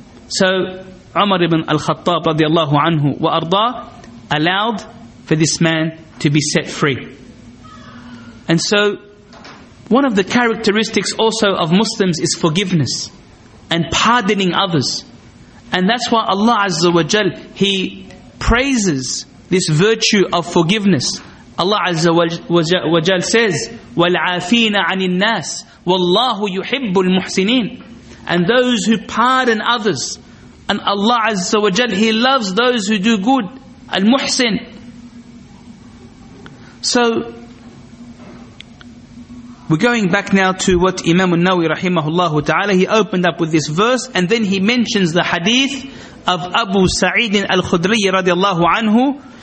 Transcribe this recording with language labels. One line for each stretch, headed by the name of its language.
English: So Umar ibn al-Khattab radiallahu anhu wa arda allowed for this man to be set free. And so one of the characteristics also of Muslims is forgiveness and pardoning others. And that's why Allah Azza wa Jal, He praises this virtue of forgiveness.
Arabic: Allah Azza wa Jal says, وَالْعَافِينَ عَنِ النَّاسِ وَاللَّهُ يُحِبُّ الْمُحْسِنِينَ.
English: And those who pardon others. And Allah Azza wa Jal, He loves those who do good. Al-Muhsin. So, we're going back now to what Imam An-Nawawi rahimahullah ta'ala, he opened up with this verse, and then he mentions the hadith of Abu Sa'id al-Khudri radiallahu anhu,